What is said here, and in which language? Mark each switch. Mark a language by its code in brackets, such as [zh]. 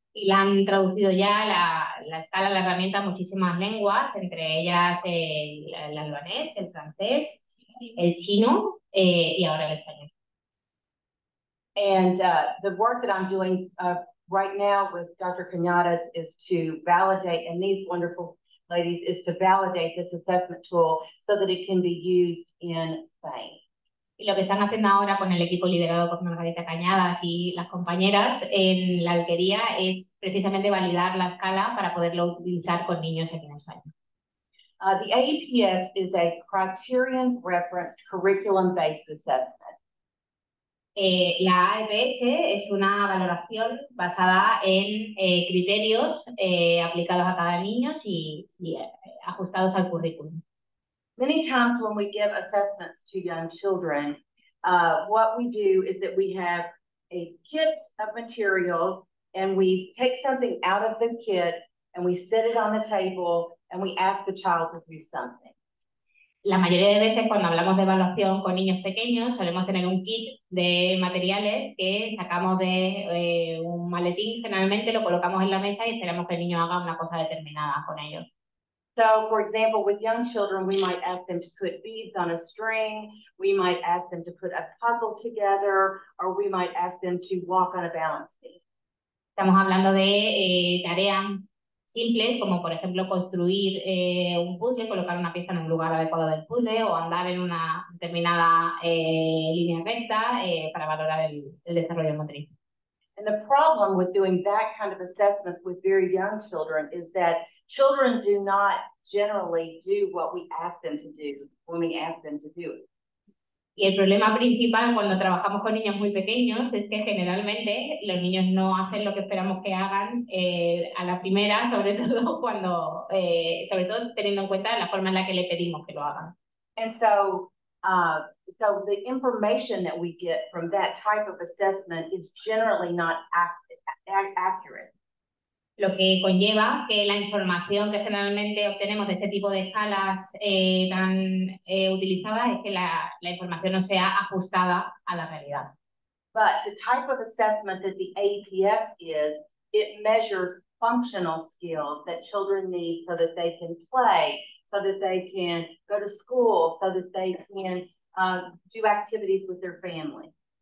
[es] Y la han traducido ya la escala, la herramienta, muchísimas lenguas, entre ellas el albanés, el francés, el chino, y ahora el español. [en] And the work that I'm doing right now with Dr. Cañadas is to validate, and these wonderful ladies, is to validate this assessment tool so that it can be used in Spain. [es] Y lo que están haciendo ahora con el equipo liderado por Margarita Cañadas y las compañeras en la Alquería es precisamente validar la escala para poderlo utilizar con niños aquí en España. [en] The AEPS is a criterion reference curriculum-based assessment. [es] La AEPS es una valoración basada en criterios aplicados a cada niño y ajustados al currículum. [en] Many times when we give assessments to young children, what we do is that we have a kit of materials and we take something out of the kit and we set it on the table and we ask the child to do something. [es] La mayoría de veces cuando hablamos de evaluación con niños pequeños solemos tener un kit de materiales que sacamos de un maletín, generalmente lo colocamos en la mesa y esperamos que el niño haga una cosa determinada con ellos. [en] So, for example, with young children, we might ask them to put beads on a string, we might ask them to put a puzzle together, or we might ask them to walk on a balance beam. [es] Estamos hablando de tareas simples, como por ejemplo construir un puzzle, colocar una pieza en un lugar adecuado del puzzle, o andar en una determinada línea recta para valorar el desarrollo motriz. [en] And the problem with doing that kind of assessment with very young children is that children do not generally do what we ask them to do when we ask them to do it. [es] Y el problema principal cuando trabajamos con niños muy pequeños es que generalmente los niños no hacen lo que esperamos que hagan a la primera, sobre todo cuando, sobre todo teniendo en cuenta la forma en la que le pedimos que lo hagan. [en] And so, so the information that we get from that type of assessment is generally not accurate. [es] Lo que conlleva que la información que generalmente obtenemos de ese tipo de escalas tan utilizada es que la información no sea ajustada a la realidad. [en] But the type of assessment that the AEPS is, it measures functional skills that children need so that they can play, so that they can go to school, so that they can do activities with their family.